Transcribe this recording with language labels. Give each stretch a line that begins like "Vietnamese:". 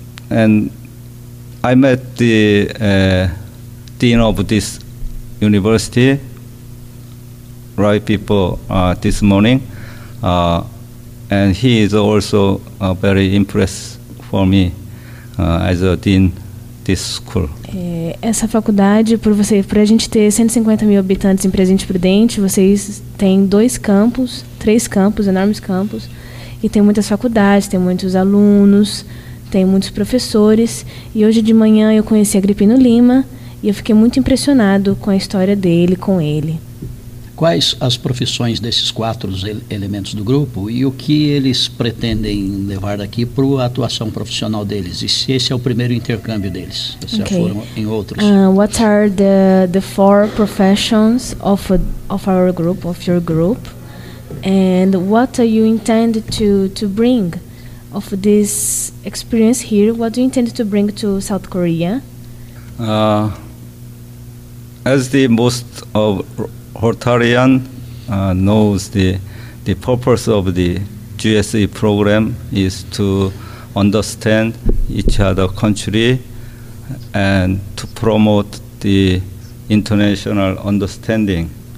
English: And I met the dean of this university right before this morning, and he is also very impressed for me as a dean this school.
Portuguese: Essa faculdade, por a gente ter 150,000 habitantes em Presidente Prudente, vocês têm três campos, enormes campos, e tem muitas faculdades, tem muitos alunos, tem muitos professores, e hoje de manhã eu conheci Agripino Lima e eu fiquei muito impressionado com a história dele, com ele. Quais as profissões desses quatro elementos do grupo e o que eles pretendem levar daqui para a atuação profissional deles? E se esse é o primeiro intercâmbio deles? Se
English: okay.
Portuguese: Já foram em outros?
English: What are the four professions of our group, of your group? And what do you intend to bring of this experience here? What do you intend to bring to South Korea? As the most of Rotarian knows the purpose of the GSE program is to understand each other country and to promote the international understanding.